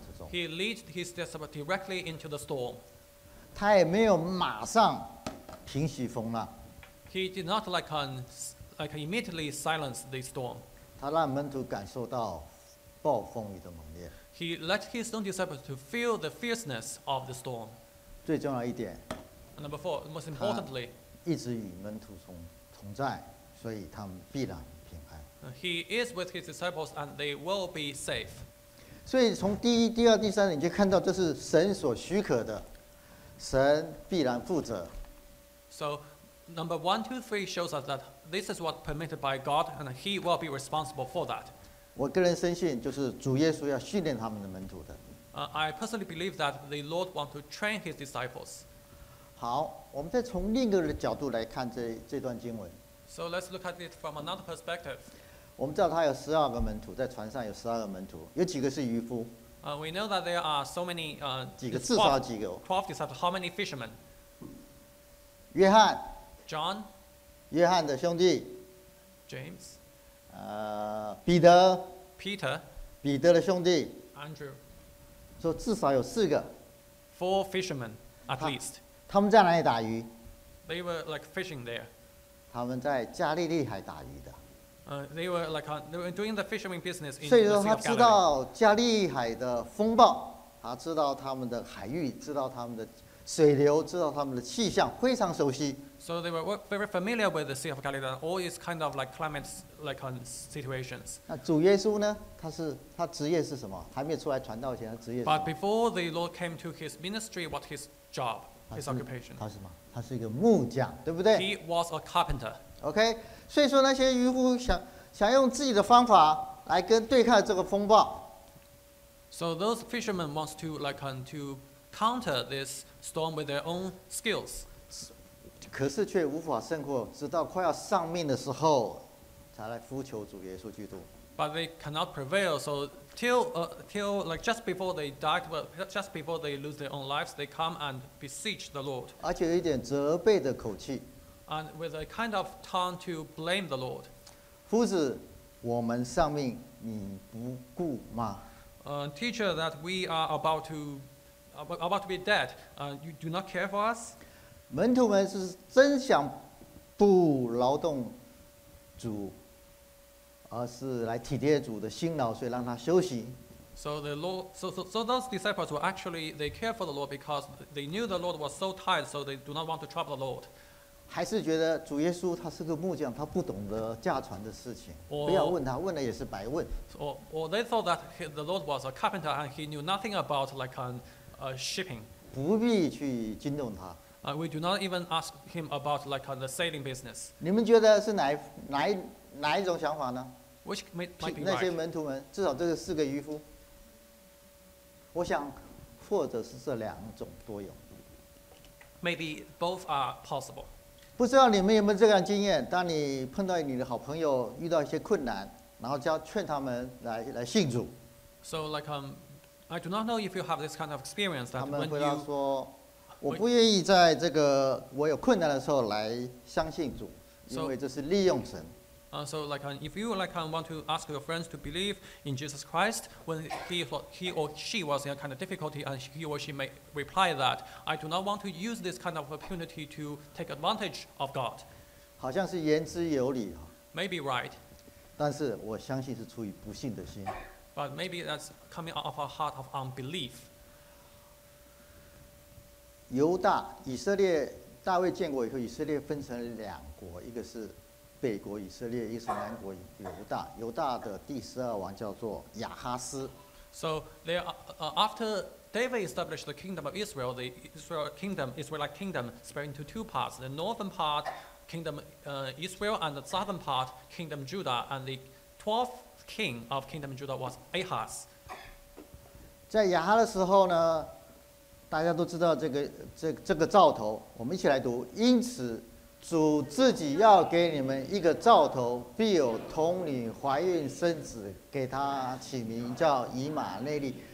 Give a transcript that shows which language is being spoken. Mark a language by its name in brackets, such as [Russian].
[English] He leads his disciples directly into the storm. [Chinese] 他也没有马上平息风浪。 [English] He did not immediately silence the storm. [Chinese] 他让门徒感受到暴风雨的猛烈。 [English] He let his own disciples to feel the fierceness of the storm. [Chinese] 最重要一点, [English] and number four, most importantly, [Chinese] 他一直与门徒同在。 [English] He is with his disciples and they will be safe. [Chinese] 所以从第一、第二、第三，你就看到这是神所许可的，神必然负责。 [English] So number 1, 2, 3 shows us that this is what permitted by God and he will be responsible for that. [Chinese] 我个人深信，就是主耶稣要训练他们的门徒的。 [English] I personally believe that the Lord wants to train his disciples. [Chinese] 好，我们再从另一个角度来看这段经文。 [English] So let's look at it from another perspective. [Chinese] 我们知道他有十二个门徒，在船上有十二个门徒，有几个是渔夫。 [English] We know that there are so many. [Chinese] 几个至少几个。 [English] 12 disciples. How many fishermen? [Chinese] 约翰。 [English] John. [Chinese] 约翰的兄弟。 [English] James. [Chinese] 彼得。 [English] Peter. [Chinese] 彼得的兄弟。 [English] Andrew. [Chinese] 说至少有四个。 [English] 4 fishermen at least. [Chinese] 他们在哪里打鱼 [English] ？They were like fishing there. [Chinese] 他们在加利利海打鱼的。 [English] They were like they were doing the fishing business in the Sea of Galilee. [Chinese] 所以说他知道加利海的风暴，他知道他们的海域，知道他们的水流，知道他们的气象，非常熟悉。 [English] So they were very familiar with the Sea of Galilee, all its kind of like climates, like on situations. [Chinese] 那主耶稣呢？他职业是什么？还没有出来传道前，他职业是什么 [English] ？But before the Lord came to his ministry, what his job? His occupation. [Chinese] 他是什么？他是一个木匠，对不对 [English] ？He was a carpenter. [Chinese] OK， 所以说那些渔夫想用自己的方法来跟对抗这个风暴。 [English] So those fishermen wants to like to counter this storm with their own skills. [Chinese] 可是却无法胜过，直到快要丧命的时候，才来呼求主耶稣基督。 [English] But they cannot prevail. So till like just before they died, well, just before they lose their own lives, they come and beseech the Lord. [Chinese] 而且有一点责备的口气。 [English] And with a kind of tone to blame the Lord. [Chinese] 夫子，我们丧命，你不顾吗 [English] ？Teacher, that we are about to be dead, you do not care for us. [Chinese] 门徒们是真想不劳动主。而是来体贴主的辛劳，所以让他休息。 [English] So those disciples were actually they care for the Lord because they knew the Lord was so tired, so they do not want to trouble the Lord. [Chinese] 还是觉得主耶稣他是个木匠，他不懂得驾船的事情，不要问他，问了也是白问。 [English] Or they thought that the Lord was a carpenter and he knew nothing about like shipping. [Chinese] 不必去惊动他。 [English] We do not even ask him about like the sailing business. [Chinese] 你们觉得是哪一种想法呢 [English] ？Which might be right. [Chinese] 那些门徒们，至少这个四个渔夫，我想，或者是这两种都有。 [English] Maybe both are possible. [Chinese] 不知道你们有没有这样经验？当你碰到你的好朋友遇到一些困难，然后就要劝他们来信主。 [English] So like I do not know if you have this kind of experience that when you [Chinese] 他们回答说，我不愿意在这个我有困难的时候来相信主，因为这是利用神。 [English] So like if you like want to ask your friends to believe in Jesus Christ when he or she was in a kind of difficulty and he or she may reply that I do not want to use this kind of opportunity to take advantage of God. [Chinese] 好像是言之有理啊。 [English] Maybe right. [Chinese] 但是我相信是出于不信的心。 [English] But maybe that's coming out of a heart of unbelief. [Chinese] 犹大以色列大卫建国以后，以色列分成两国，一个是。北国以色列，伊斯兰国犹大。犹大的第十二王叫做亚哈斯。 [English] So there are, after David established the kingdom of Israel, the Israelite kingdom spread into two parts: the northern part, kingdom Israel, and the southern part, kingdom Judah. And the 12th king of kingdom Judah was Ahaz. [Chinese] 在亚哈的时候呢，大家都知道这个兆头。我们一起来读，因此。主自己要给你们一个兆头，必有童女怀孕生子，给他起名叫以马内利。